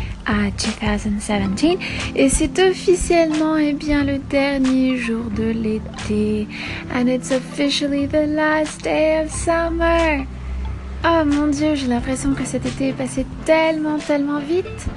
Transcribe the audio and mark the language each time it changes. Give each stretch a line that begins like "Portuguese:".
French: 2017, et c'est officiellement et bien le dernier jour de l'été.
English: And it's officially the last day of summer.
French: Oh mon dieu, j'ai l'impression que cet été est passé tellement vite.